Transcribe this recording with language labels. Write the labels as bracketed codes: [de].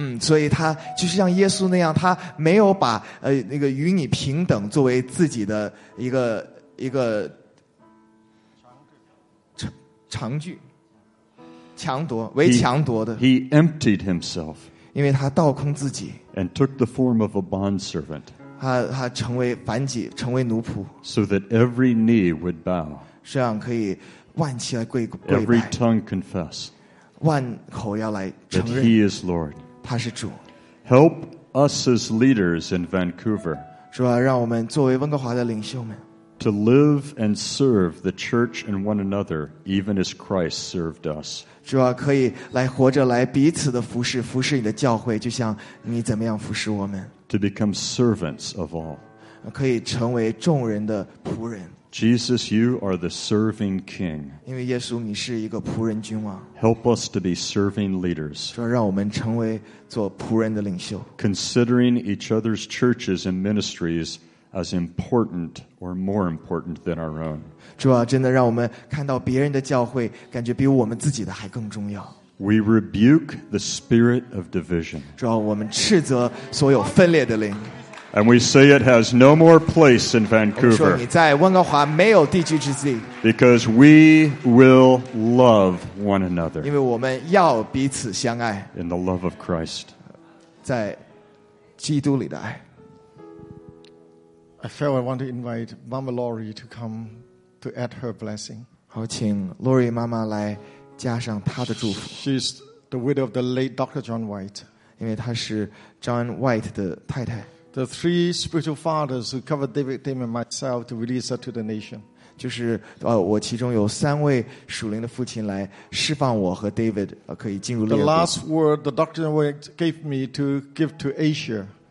[zh] 所以他就是像耶稣那样，他没有把那个与你平等作为自己的一个长句，强夺为强夺的。 [en] He emptied himself, [zh] 因为他倒空自己 [en] ，and took the form of a bond servant. [zh] 他成为反己，成为奴仆 [en] ，so that every knee would bow. [zh] 这样可以万膝来跪拜 [en] ，every tongue confess. [zh] 万口要来承认 [en] that He is Lord. [zh] 他是主 [en] Help us as leaders in Vancouver. [zh] 主啊，让我们作为温哥华的领袖们 [en] to live and serve the church and one another, even as Christ served us. [zh] 主啊，可以来活着来彼此的服侍，服侍你的教会，就像你怎么样服侍我们 [en] to become servants of all. [zh] 可以成为众人的仆人 [en] Jesus, you are the serving king. [zh] 因为耶稣你是一个仆人君王。 [en] Help us to be serving leaders. [zh] 说让我们成为做仆人的领袖。 [en] Considering each other's churches and ministries as important or more important than our own. [zh] 主啊，真的让我们看到别人的教会，感觉比我们自己的还更重要。 [en] We rebuke the spirit of division. [zh] 主啊，我们斥责所有分裂的灵。 [en] And we say it has no more place in Vancouver. [zh] 说你在温哥华没有地居之地。 [en] Because we will love one another. [zh] 因为我们要彼此相爱。 [en] In the love of Christ. [zh] 在基督里的爱。 [en] I feel I want to invite Mama Lori to come to add her blessing. [zh] 好，请 Lori 妈妈来加上她的祝福。 [en] She's the widow of the late Dr. John White. [zh] 因为她是 John White 的太太。 [en] The three spiritual fathers who covered David Tim and myself to release her to the nation. [zh] 就是我其中有三位属灵的父亲来释放我和 David 可以进入列国。 [en] The last word the doctor gave me to give to Asia.